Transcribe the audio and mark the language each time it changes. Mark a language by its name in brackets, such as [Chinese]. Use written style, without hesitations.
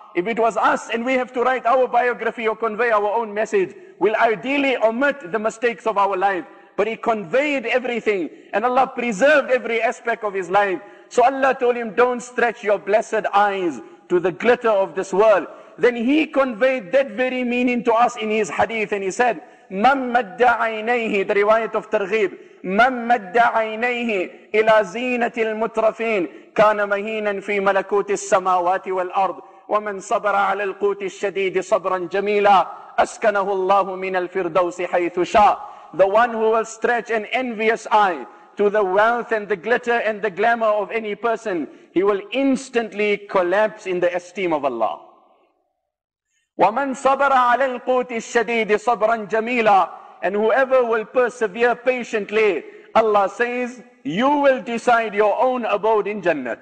[English] If it was us and we have to write our biography or convey our own message, we'll ideally omit the mistakes of our life. But he conveyed everything and Allah preserved every aspect of his life. So Allah told him, don't stretch your blessed eyes to the glitter of this world. Then he conveyed that very meaning to us in his hadith, and he said, [Arabic] مَنْ مَدَّ عَيْنَيْهِ, [English] the riwayat of Targhib, [Arabic] مَنْ مَدَّ عَيْنَيْهِ إِلَى زِينَةِ الْمُتْرَفِينَ كَانَ مَهِينًا فِي مَلَكُوتِ السَّمَاوَاتِ وَالْأَرْضِ وَمَنْ صَبَرَ عَلَى الْقُوتِ الشَّدِيدِ صَبْرًا جَمِيلًا أَسْكَنَهُ اللَّهُ مِنَ الْفِرْدَوْسِ حَيْثُ شَاءَ. [English] The one who will stretch an envious eye to the wealth and the glitter and the glamour of any person, he will instantly collapse in the esteem of Allah. [Arabic] وَمَنْ صَبَرَ عَلَى الْقُوتِ الشَّدِيدِ صَبْرًا جَمِيلًا. [English] And whoever will persevere patiently, Allah says, you will decide your own abode in Jannah.